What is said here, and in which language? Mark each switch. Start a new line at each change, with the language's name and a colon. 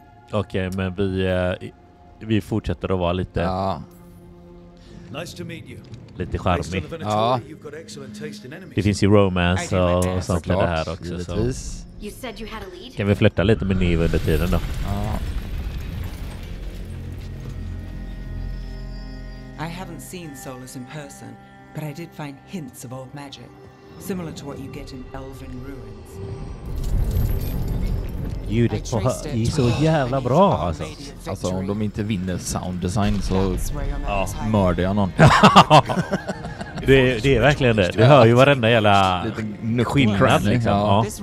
Swedish: Okej, men vi fortsätter att vara lite... Ja. Lite charmig. Ja. Det finns ju romance och sånt med det här också. Givetvis. Så. Kan vi flytta lite med Niva under tiden då? Ja.
English: I haven't seen Solas in person, but I did find hints of old magic, similar to what you get in elven ruins.
Swedish: Ljudet på hör är så jävla bra alltså. Alltså om de inte vinner sound design så mördar jag någon. det är verkligen det. Du hör ju varenda jävla skillnad liksom.